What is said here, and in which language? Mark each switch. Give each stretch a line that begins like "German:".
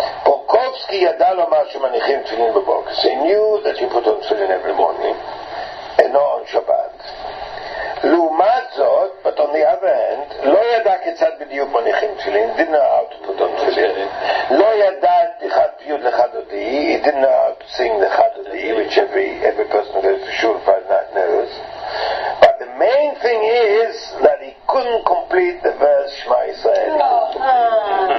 Hebrew: Borkowski ידע לומר שמניחים תפילין בבוקר.
English: He knew that you put on tefillin every morning and not on Shabbat.
Hebrew: לעומת זאת,
English: but on the other hand,
Hebrew: לא ידע כיצד בדיוק מניחים תפילין.
English: Didn't know how to put on tefillin.
Hebrew: לא ידע פתיחת פיוט לחדודי.
English: He didn't know how to sing לחדודי, which every person who goes to shul Friday night knows. But the main thing is that he couldn't complete the verse Shema Yisrael.